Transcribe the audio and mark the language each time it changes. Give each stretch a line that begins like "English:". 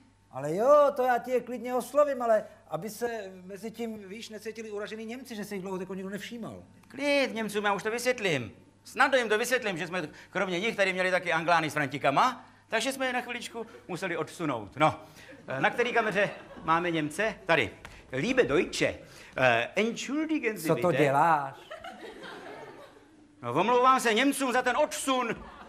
Czech: Ale jo, to já ti je klidně oslovím, ale aby se mezi tím, víš, necítili uražený Němci, že se jich dlouho nikdo nevšímal. Klid, Němcům, já už to vysvětlím. Snadno jim to vysvětlím, že jsme kromě nich tady měli taky Anglány s Frantikama, takže jsme je na chviličku museli odsunout. No, na který kameře máme Němce? Tady.
German: Liebe Deutsche, entschuldigen Sie bitte.
Czech: Co to děláš? No, omlouvám se Němcům za ten odsun.